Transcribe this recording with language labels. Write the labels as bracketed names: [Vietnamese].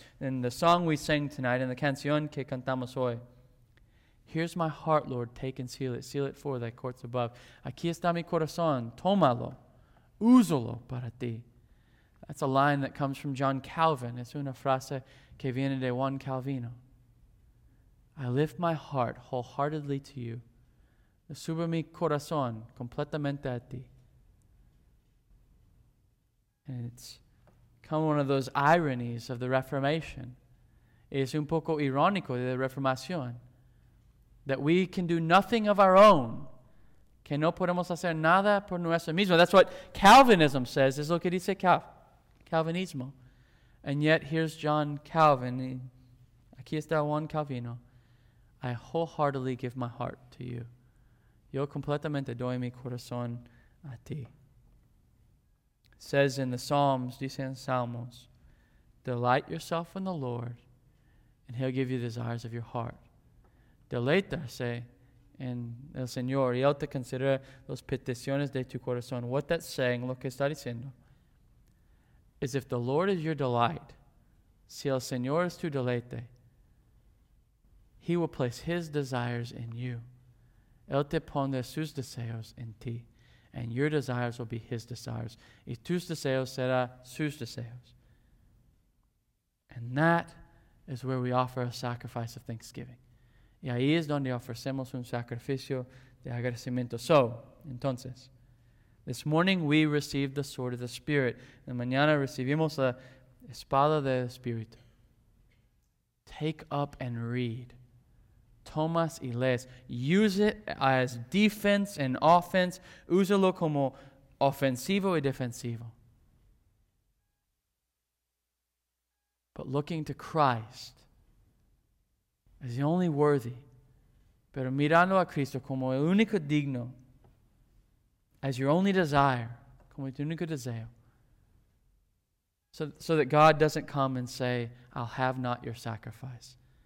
[English] In the song we sing tonight, in the [Spanish] canción que cantamos hoy, [English] here's my heart, Lord, take and seal it. Seal it for thy courts above. [Spanish] Aquí está mi corazón. Tómalo. Úsalo para ti. [English] That's a line that comes from John Calvin. [Spanish] Es una frase que viene de Juan Calvino. [English] I lift my heart wholeheartedly to you. [Spanish] Subo mi corazón completamente a ti. [English] And it's come one of those ironies of the Reformation. [Spanish] Es un poco irónico de la Reformación. [English] That we can do nothing of our own. [Spanish] Que no podemos hacer nada por nuestro mismo. [English] That's what Calvinism says. [Spanish] Es lo que dice Calvinismo. [English] And yet, here's John Calvin. [Spanish] Aquí está Juan Calvino. [English] I wholeheartedly give my heart to you. [Spanish] Yo completamente doy mi corazón a ti. [English] Says in the Psalms, [Spanish] dice en Salmos, [English] delight yourself in the Lord, and he'll give you the desires of your heart. [Spanish] Deleitarse en el Señor, y él te considera las peticiones de tu corazón. [English] What that's saying, [Spanish] lo que está diciendo, [English] is if the Lord is your delight, [Spanish] si el Señor es tu deleite, [English] he will place his desires in you. [Spanish] Él te pone sus deseos en ti, [English] and your desires will be his desires. [Spanish] Y tus deseos serán sus deseos. [English] And that is where we offer a sacrifice of thanksgiving. [Spanish] Y ahí es donde ofrecemos un sacrificio de agradecimiento. [English] So, [Spanish] entonces, [English] this morning we received the sword of the Spirit. [Spanish] En mañana recibimos la espada del Espíritu. [English] Take up and read. [Spanish] Tomas y lees. [English] Use it as defense and offense. [Spanish] Úsalo como ofensivo y defensivo. [English] But looking to Christ as the only worthy, [Spanish] pero mirando a Cristo como el único digno, [English] as your only desire, [Spanish] como tu único deseo, [English] so that God doesn't come and say, I'll have not your sacrifice.